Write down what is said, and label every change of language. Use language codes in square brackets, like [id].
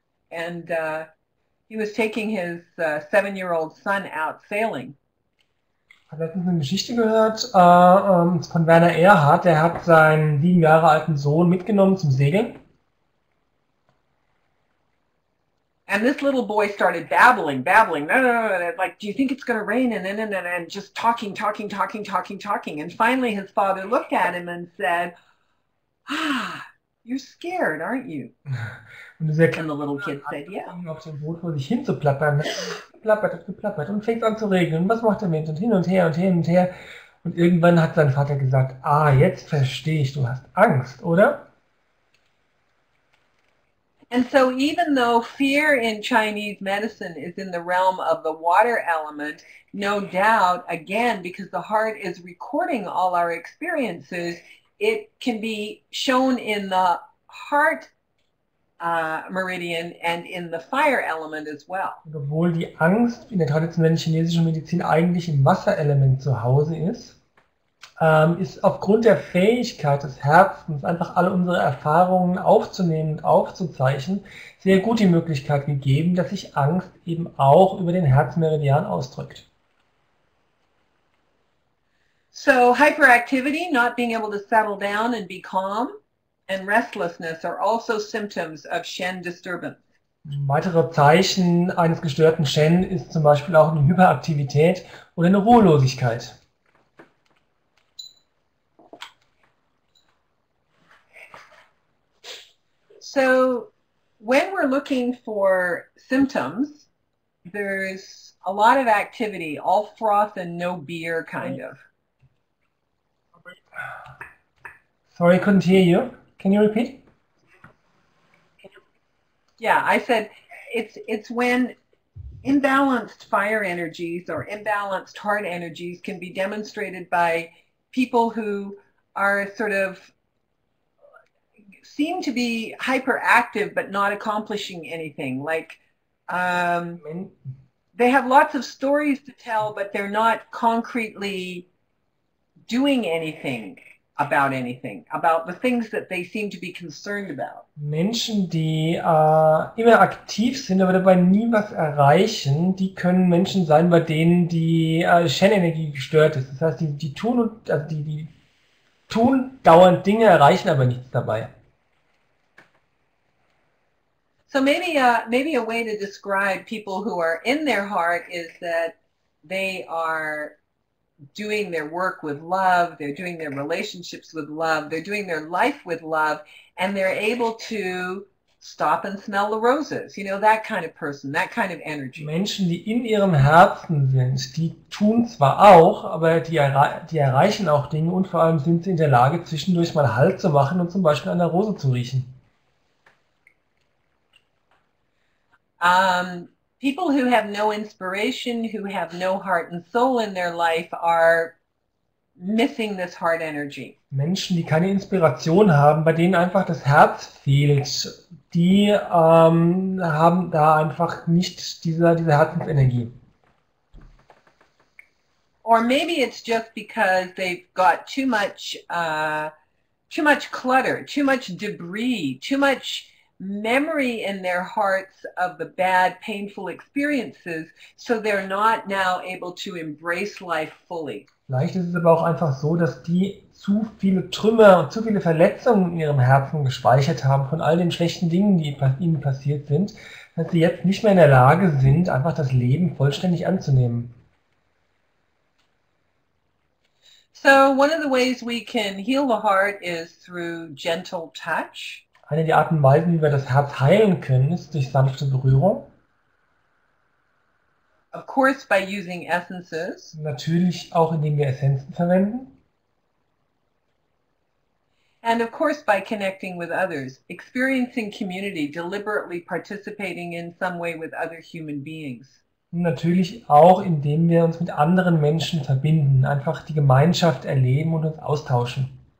[en] And he was taking his 7-year-old son out sailing. [de] Hat letztens eine Geschichte gehört von Werner Erhard, der hat seinen 7 Jahre alten Sohn mitgenommen zum Segeln. [en] And this little boy started babbling, babbling, no, like, do you think it's going to rain? And just talking, talking, talking, talking, talking. And finally, his father looked at him and said, "Ah, you're scared, aren't you?" [de] Und dieser [en] And [de] Kleine [en] the little kid [de] hat [en] said, "Yeah." [de] angefangen, auf dem Boot vor sich hin zu plappern. Plappert und plappert und fängt an zu regnen. Und was macht der Mensch? Und hin und her und hin und her. Und irgendwann hat sein Vater gesagt: Ah, jetzt verstehe ich, du hast Angst, oder? [en] And so even though fear in Chinese medicine is in the realm of the water element, no doubt, again, because the heart is recording all our experiences, it can be shown in the heart meridian and in the fire element as well. [de] Und obwohl die Angst in der traditionellen chinesischen Medizin eigentlich im Wasserelement zu Hause ist, ist aufgrund der Fähigkeit des Herzens, einfach alle unsere Erfahrungen aufzunehmen und aufzuzeichnen, sehr gut die Möglichkeit gegeben, dass sich Angst eben auch über den Herzmeridian ausdrückt. [en] So hyperactivity, not being able to settle down and be calm, and restlessness are also symptoms of Shen disturbance. [de] Weitere Zeichen eines gestörten Shen ist zum Beispiel auch eine Hyperaktivität oder eine Ruhelosigkeit. [en] So when we're looking for symptoms, there's a lot of activity, all froth and no beer kind of. Sorry, I couldn't hear you. Can you repeat? Yeah, I said it's when imbalanced fire energies or imbalanced heart energies can be demonstrated by people who are sort of seem to be hyperactive but not accomplishing anything. Like they have lots of stories to tell, but they're not concretely doing anything about anything, about the things that they seem to be concerned about. [de] Menschen, die immer aktiv sind, aber dabei nie was erreichen, die können Menschen sein, bei denen die Shen-Energie gestört ist. Das heißt, die tun und also die tun dauernd Dinge, erreichen aber nichts dabei. [en] So maybe a way to describe people who are in their heart is that they are doing their work with love, they're doing their relationships with love, they're doing their life with love, and they're able to stop and smell the roses. You know, that kind of person, that kind of energy. [de] Menschen, die in ihrem Herzen sind, die tun zwar auch, aber die erreichen auch Dinge und vor allem sind sie in der Lage, zwischendurch mal Halt zu machen und zum Beispiel an der Rose zu riechen. [en] People who have no inspiration, who have no heart and soul in their life, are missing this heart energy. [de] Menschen, die keine Inspiration haben, bei denen einfach das Herz fehlt. Die haben da einfach nicht diese Herzensenergie. [en] Or maybe it's just because they've got too much clutter, too much debris, too much memory in their hearts of the bad, painful experiences, so they're not now able to embrace life fully. [de] Vielleicht ist es aber auch einfach so, dass die zu viele Trümmer und zu viele Verletzungen in ihrem Herzen gespeichert haben von all den schlechten Dingen, die ihnen passiert sind, dass sie jetzt nicht mehr in der Lage sind, einfach das Leben vollständig anzunehmen. [en] So one of the ways we can heal the heart is through gentle touch. [de] Eine der Arten und Weisen, wie wir das Herz heilen können, ist durch sanfte Berührung. [en] Of course, by using essences. [de] Natürlich auch, indem wir Essenzen verwenden. [en] And of course, by connecting with others, experiencing community, deliberately participating in some way with other human beings. [de] Natürlich auch, indem wir uns mit anderen Menschen verbinden, einfach die Gemeinschaft erleben und uns austauschen.